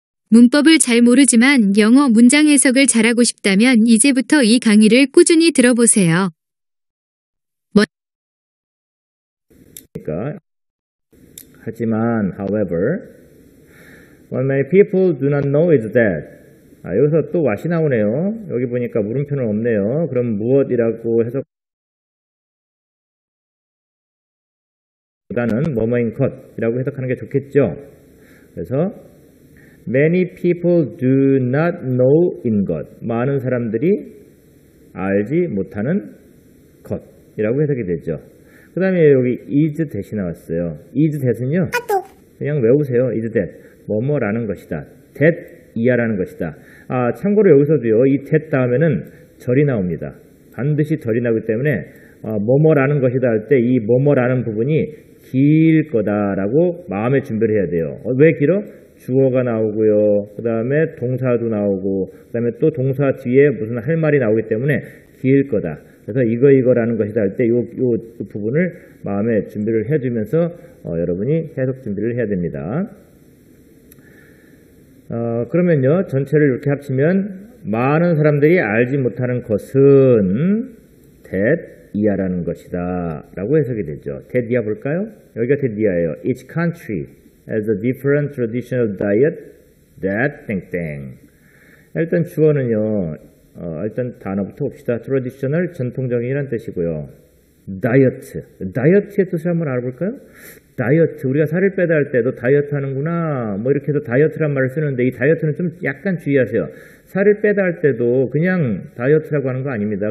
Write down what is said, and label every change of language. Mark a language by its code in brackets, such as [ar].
[ko] 문법을 잘 모르지만 영어 문장 해석을 잘하고 싶다면 이제부터 이 강의를 꾸준히 들어보세요. 그러니까 하지만 [en] however what many people do not know is that [ko] 아, 여기서 또 what이 나오네요. 여기 보니까 물음표는 없네요. 그럼 무엇이라고 해석 보다는 뭐뭐인 것이라고 해석하는 게 좋겠죠. [en] 그래서 many people do not know in 것. [ko] 많은 사람들이 알지 못하는 것이라고 해석이 되죠. 그 다음에 여기 is that이 나왔어요. is that은요? 그냥 외우세요. is that. 뭐뭐라는 것이다. that 이하라는 것이다. 아, 참고로 여기서도요. 이 that 다음에는 절이 나옵니다. 반드시 절이 나오기 때문에 뭐뭐라는 것이다 할 때 이 뭐뭐라는 부분이 길 거다라고 마음의 준비를 해야 돼요. 왜 길어? 주어가 나오고요. 그 다음에 동사도 나오고 그 다음에 또 동사 뒤에 무슨 할 말이 나오기 때문에 길 거다. 그래서 이거 이거라는 것이다 할 때 요 부분을 마음에 준비를 해주면서 여러분이 해석 준비를 해야 됩니다. 그러면요. 전체를 이렇게 합치면 많은 사람들이 알지 못하는 것은 that 이하라는 것이다 라고 해석이 되죠. that 이하 볼까요? 여기가 that 이하예요. [en] Each country has a different traditional diet that 땡땡. [ko] 일단 주어는요. 일단 단어부터 봅시다. traditional 전통적인이란 뜻이고요. [en] diet. [ko] diet의 뜻을 한번 알아볼까요? [en] diet. [ko] 우리가 살을 빼다 할 때도 다이어트 하는구나. 뭐 이렇게 해서 다이어트란 말을 쓰는데 이 다이어트는 좀 약간 주의하세요. 살을 빼다 할 때도 그냥 다이어트라고 하는 거 아닙니다.